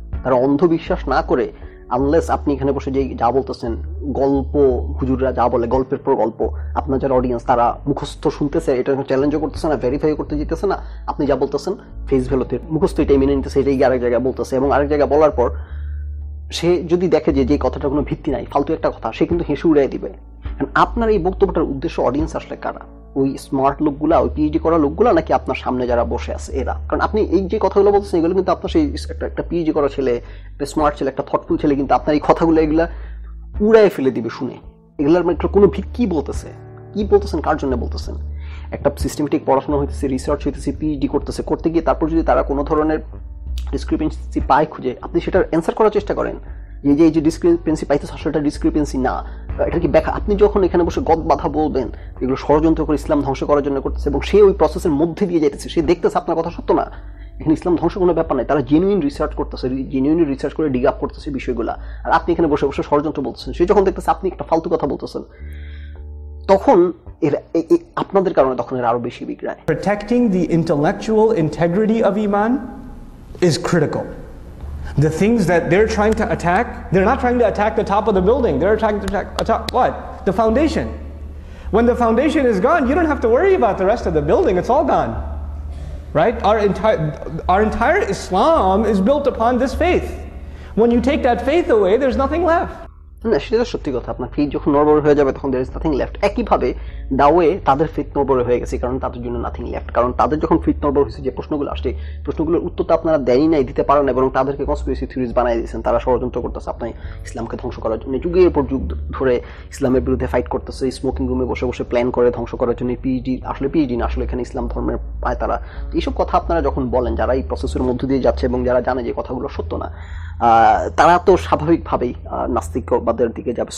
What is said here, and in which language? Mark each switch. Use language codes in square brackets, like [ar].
[bn] Tara ondho bishwash na kore, unless apni ekhane boshe je ja boltechen, golpo, hujurra ja bole, golper por golpo, apnar jara audience tara mukhosto shuntese, eta challenge korteche na, verify korte jitechen na, apni ja boltechen face value te mukhosto eta mene niteche, etai arek jaygay boltechen, ebong arek jaygay bolar por সে যদি দেখে যে কথাটা কোনো ভিত্তি নাই, ফালতু একটা কথা, সে কিন্তু হেসে উড়াই দিবে। আপনার এই বক্তব্যটার উদ্দেশ্য অডিয়েন্স আসলে কারা? ওই স্মার্ট লোকগুলা, ওই পিএইচডি করা লোকগুলা, নাকি আপনার সামনে যারা বসে আছে এরা? কারণ আপনি এই যে কথাগুলো বলছেন এগুলো কিন্তু আপনার সেই একটা পিএইচডি করা ছেলে, একটা স্মার্ট ছেলে, একটা থটফুল ছেলে, কিন্তু আপনার এই কথাগুলো এগুলা উড়াই ফেলে দিবে শুনে। এগুলার মানে কোনো ভিত্তি বলতেছে কি বলতেছেন, কার জন্য বলতেছেন? একটা সিস্টেমেটিক পড়াশোনা হইতেছে, রিসার্চ হইতেছে, পিএইচডি করতেছে, করতে গিয়ে তারপর যদি তারা কোনো ধরনের ডিসক্রিপেন্সি পায় খুঁজে, আপনি সেটার অ্যান্সার করার চেষ্টা করেন যে এই যে ডিসক্রিপেন্সি পাইতেছে আসলে এটা ডিসক্রিপেন্সি না, এটা কি ব্যাখ্যা? আপনি যখন এখানে বসে গদ বাধা বলবেন এগুলো ষড়যন্ত্র করে ইসলাম ধ্বংস করার জন্য করতেছে, এবং সে ওই প্রসেসের মধ্যে দিয়ে যেতেছে, সে দেখতেছে আপনার কথা সত্য না, এখানে ইসলাম ধ্বংস কোনো ব্যাপার নাই, তারা জেনুইন রিসার্চ করতেছে, জেনুইন রিসার্চ করে ডিগ আপ করতেছে বিষয়গুলো, আর আপনি এখানে বসে বসে ষড়যন্ত্র বলতেছেন, সে যখন দেখতেছে আপনি একটা ফালতু কথা বলতেছেন, তখন এর আপনাদের কারণে তখন এর আরও বেশি বিগড়ায়। [en] Protecting the intellectual integrity of ইমান is critical. The things that they're trying to attack, they're not trying to attack the top of the building, they're trying to attack what? The foundation. When the foundation is gone, you don't have to worry about the rest of the building, it's all gone. Right? Our entire Islam is built upon this faith. When you take that faith away, there's nothing left. [bn] সেটা সত্যি কথা, আপনার fit যখন নড়বড়ে হয়ে যাবে তখন [en] There is nothing left. [bn] একইভাবে দাওয়ে তাদের ফিট নড়বড়ে হয়ে গেছে, কারণ তাদের জন্য [en] nothing left, [bn] কারণ তাদের যখন ফিট নড়বড় হয়েছে, যে প্রশ্নগুলো আসছে প্রশ্নগুলোর উত্তর তো আপনারা দেনই নাই, দিতে পারেন, এবং তাদেরকে কনস্পিরেসি থিওরিজ বানিয়ে দিয়েছেন, তারা ষড়যন্ত্র করতেছে আপনার ইসলামকে ধ্বংস করার জন্য, যুগের পর যুগ ধরে ইসলামের বিরুদ্ধে ফাইট করতেছে, স্মোকিং রুমে বসে বসে প্ল্যান করে ধ্বংস করার জন্য, পিএইচডি আসলে পিএইচডি না, আসলে এখানে ইসলাম ধর্মের পায় তারা, এইসব কথা আপনারা যখন বলেন, যারা এই প্রসেসের মধ্য দিয়ে যাচ্ছে এবং যারা জানে যে কথাগুলো সত্য না, তারা তো স্বাভাবিকভাবেই নাস্তিকবাদের দিকে যাবে।